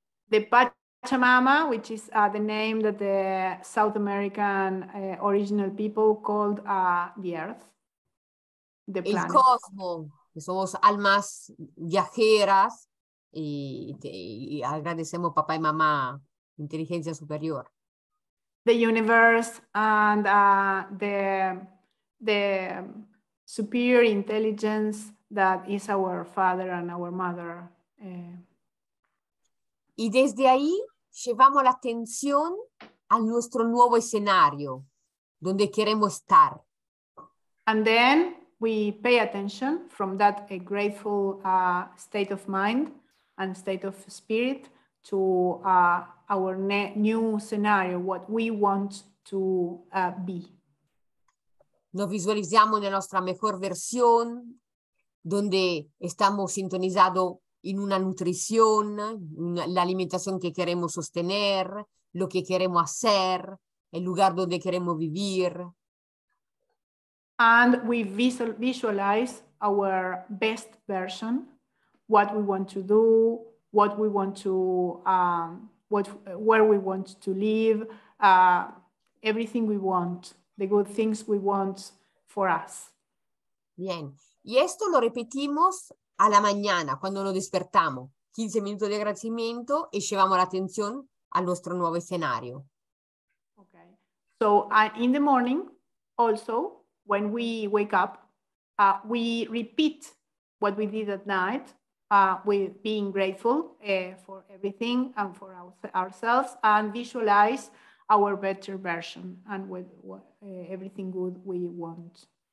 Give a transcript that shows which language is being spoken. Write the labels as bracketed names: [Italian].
[English] The Pachamama, which is the name that the South American original people called the Earth. The [Spanish] el cosmos, que somos almas viajeras y agradecemos papá y mamá. Inteligencia superior. [English] The universe and the superior intelligence that is our father and our mother. [Spanish] Y desde ahí llevamos la atención a nuestro nuevo escenario donde queremos estar. [English] And then we pay attention from that a grateful state of mind and state of spirit to our new scenario, what we want to be. [Spanish] Nos visualizamos en nuestra mejor versión, donde estamos sintonizados en una nutrición, la alimentación que queremos sostener, lo que queremos hacer, el lugar donde queremos vivir. [English] And we visualize our best version, what we want to do, what we want to, where we want to live, everything we want, the good things we want for us. [Spanish] Bien. Y esto lo repetimos a la mañana, cuando nos despertamos. 15 minutos de agradecimiento y llevamos la atención a nuestro nuevo escenario. [English] Okay. So in the morning, also, when we wake up, we repeat what we did at night, with being grateful for everything and for ourselves, and visualize our better version and with everything good we want.